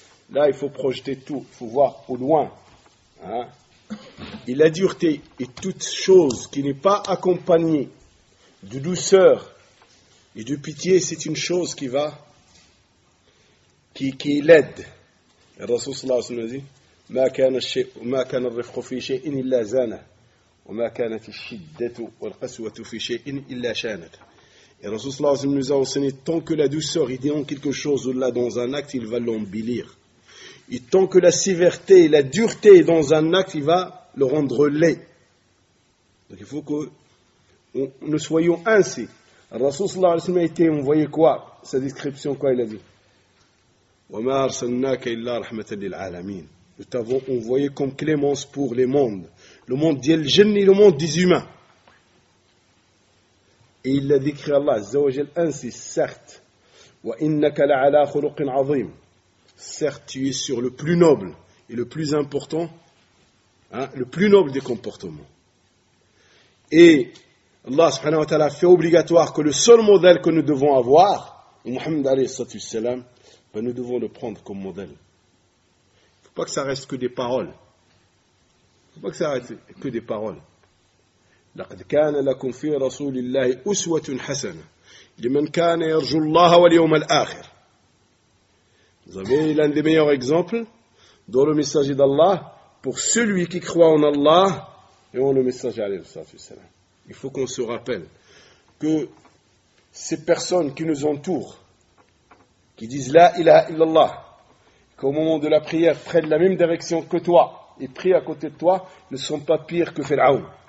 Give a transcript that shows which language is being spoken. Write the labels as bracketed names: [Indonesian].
[French] Là, il faut projeter tout, il faut voir au loin. Hein? Et la dureté est toute chose qui n'est pas accompagnée de douceur et de pitié, c'est une chose qui va, qui l'aide. Le Rasoul sallallahu alayhi wa sallam dit, [Arabic] مَا كَانَ الشَّيْءُ مَا كَانَ الرِّفْقُ فِي شَيْءٍ إِلَّا زَانَهُ وَمَا كَانَتْ الشِّدَّةُ وَالْقَسْوَةُ فِي شَيْءٍ إِلَّا شَانَتْ. [French] Et Rasoul sallallahu alayhi wa sallam nous a enseigné, tant que la douceur est dans quelque chose ou là dans un acte, il va l'embellir. Et tant que la sévérité et la dureté est dans un acte, il va le rendre laid. Donc il faut que nous soyons ainsi. Rasoul sallallahu alayhi wa sallam a été envoyé quoi? Sa description, quoi il a dit? [Arabic] وَمَا أَرْسَلْنَاكَ إِلَّا رَحْمَةً لِلْعَالَمِينَ. [French] Nous t'avons envoyé comme clémence pour les mondes. Le monde d'El Jinn et le monde des humains. Et il a décrit Allah, Azzawajal, ainsi, certes, [Arabic] wa innaka la'ala khuluqin azim. [French] Certes, tu es sur le plus noble et le plus important, hein, le plus noble des comportements. Et Allah subhanahu wa ta'ala fait obligatoire que le seul modèle que nous devons avoir, Muhammad alayhi sallallahu alayhi wa sallam, ben nous devons le prendre comme modèle. Pas que ça reste que des paroles. Pas que ça reste que des paroles. [Arabic] لقد كان لكم في رسول الله أسوة حسنة لمن كان يرجو الله واليوم الآخر. [French] Vous avez l'un des meilleurs exemples dans le messager d'Allah pour celui qui croit en Allah et en le messager alayhi salatu wassalam. Il faut qu'on se rappelle que ces personnes qui nous entourent, qui disent la ilaha illallah, qu'au moment de la prière, prennent la même direction que toi et prient à côté de toi, ne sont pas pires que Pharaon.